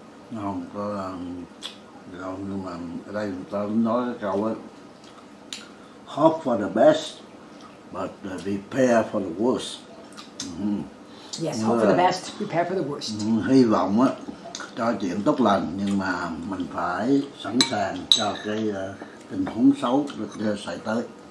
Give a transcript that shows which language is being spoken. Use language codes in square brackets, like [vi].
[vi] Nó không có đâu, nhưng mà ở đây người ta nói cái câu ấy, [en] hope for the best but prepare for the worst. Yes, hope for the best, prepare for the worst. [vi] Hy vọng á cho chuyện tốt lành, nhưng mà mình phải sẵn sàng cho cái tình huống xấu xảy tới.